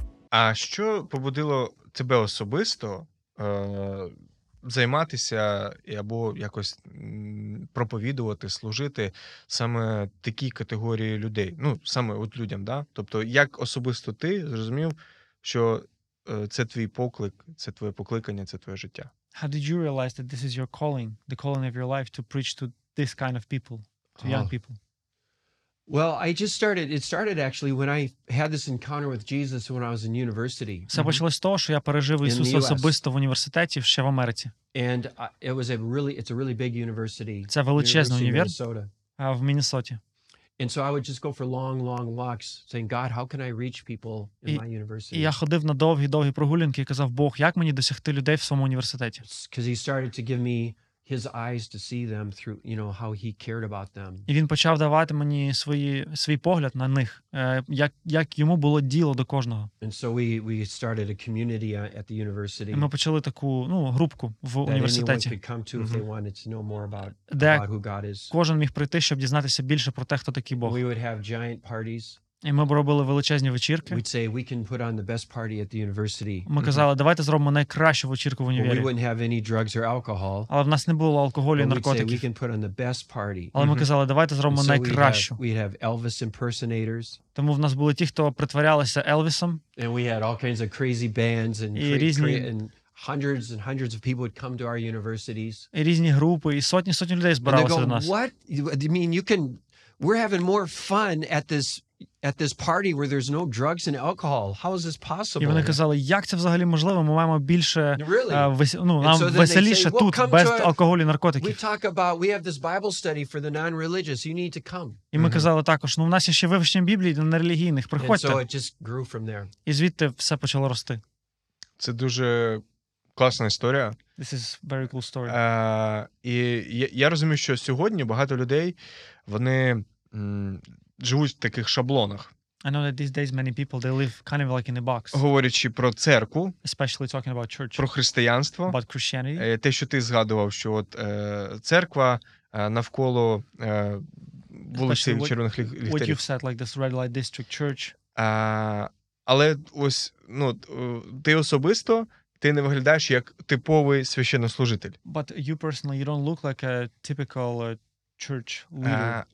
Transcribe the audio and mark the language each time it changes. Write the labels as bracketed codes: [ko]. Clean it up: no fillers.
[uk] А що побудило тебе особисто займатися або якось проповідувати, служити саме такій категорії людей? Ну, саме от людям, да? Тобто, як особисто ти зрозумів, що це твій поклик, це твоє покликання, це твоє життя? [en] How did you realize that this is your calling, the calling of your life to preach to this kind of people, to young people? Well, it started actually when I had this encounter with Jesus when I was in university. [uk] Це почалось з того, що я пережив Ісуса особисто в університеті ще в Америці. [en] And it's a really big university. [uk] Це величезна університет. А в Міннесоті. [en] And so I would just go for long walks saying, God, how can I reach people in my university? [uk] І я ходив на довгі прогулянки і казав: Бог, як мені досягти людей в своєму університеті? [en] Because he started to give me his eyes to see them through, you know, how he cared about them. [uk] І він почав давати мені свій погляд на них, як йому було діло до кожного. [en] And so we started a community at the university. [uk] Ми почали таку, ну, групку в університеті. [en] Anyone could come to if they wanted to know more about who God is. [uk] Кожен міг прийти, щоб дізнатися більше про те, хто такий Бог. [en] We would have giant parties. [uk] І ми робили величезні вечірки. [en] We'd say, we can put on the best party at the university. [uk] Ми казали, давайте зробимо найкращу вечірку в універі. [en] But we wouldn't have any drugs or alcohol. [uk] Але в нас не було алкоголю і наркотиків. [en] We can put on the best party. [uk] Але ми казали, давайте зробимо найкращу. [en] We'd have Elvis impersonators. [uk] Тому в нас були ті, хто притворялися Елвісом. [en] And we had all kinds of crazy bands and hundreds and hundreds of people would come to our universities. [uk] І різні групи, і сотні людей збиралися до нас. [en] What? I mean, we're having more fun at this party where there's no drugs and alcohol. How is this possible? [uk] І вони казали, як це взагалі можливо? Ми маємо більше [en] really? [uk] Нам so веселіше say, тут без алкоголю і наркотиків. [en] We have this Bible study for the non-religious. You need to come. [uk] І ми казали також, ну, в нас є ще вивчення Біблії для нерелігійних. Приходьте. [en] And so it just grew from there. [uk] І звідти все почало рости. Це дуже класна історія. [en] This is very cool story. [uk] І я розумію, що сьогодні багато людей, вони живуть в таких шаблонах. [en] I know that these days many people they live kind of like in a box. [uk] Говорячи про церкву, [en] especially talking about church. [uk] Про християнство, [en] about Christianity. [uk] Те, що ти згадував, що от церква навколо вулиці Червоних Ліхтарів. [en] What you've said, like this red light district church. [uk] Але ось, ну, ти особисто, ти не виглядаєш як типовий священнослужитель. [en] But you personally you don't look like a typical church leader.